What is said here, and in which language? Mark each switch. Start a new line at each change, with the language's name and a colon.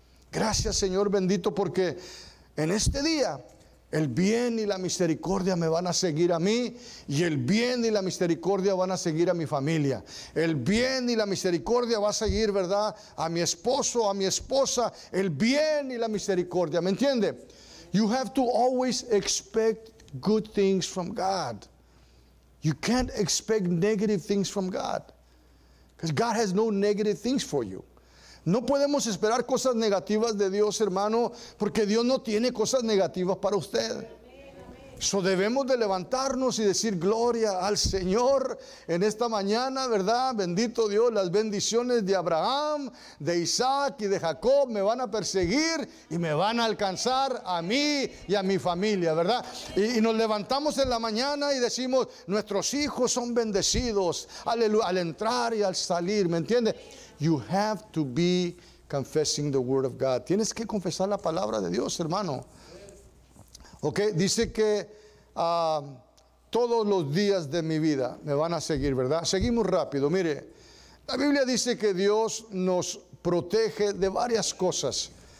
Spanish: Gracias, Señor bendito, porque en este día el bien y la misericordia me van a seguir a mí, y el bien y la misericordia van a seguir a mi familia. El bien y la misericordia va a seguir, ¿verdad?, a mi esposo, a mi esposa. El bien y la misericordia, ¿me entiende?
English: You have to always expect good things from God. You can't expect negative things from God, because God has no negative things for you.
Spanish: No podemos esperar cosas negativas de Dios, hermano, porque Dios no tiene cosas negativas para usted. So debemos de levantarnos y decir gloria al Señor en esta mañana, ¿verdad? Bendito Dios, las bendiciones de Abraham, de Isaac y de Jacob me van a perseguir y me van a alcanzar a mí y a mi familia, ¿verdad? Y nos levantamos en la mañana y decimos, nuestros hijos son bendecidos, aleluya, al entrar y al salir, ¿me entiende? You have to be confessing the word of God. Tienes que confesar la palabra de Dios, hermano. Ok, dice que todos los días de mi vida me van a seguir, ¿verdad? Seguimos rápido. Mire, la Biblia dice que Dios nos protege de varias cosas.